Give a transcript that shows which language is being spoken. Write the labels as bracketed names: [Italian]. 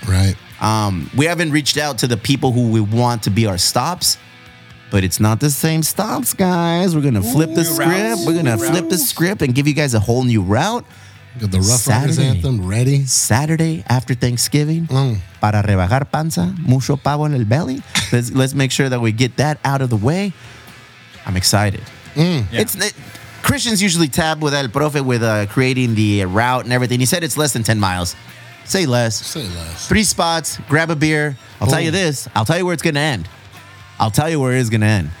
[English] Right. We haven't reached out to the people who we want to be our stops, but it's not the same stops, guys. We're going to flip the script. Routes. We're going to flip the script and give you guys a whole new route. Got the Rough Riders anthem ready. Saturday after Thanksgiving. Mm. [Spanish] Para rebajar panza, mucho pavo en el belly. [English] Let's make sure that we get that out of the way. I'm excited. Mm. Yeah. Christians usually tab with El Profe with creating the route and everything. He said it's less than 10 miles. Say less. Say less. Three spots, grab a beer. I'll tell you this. I'll tell you where it's going to end. I'll tell you where it is going to end.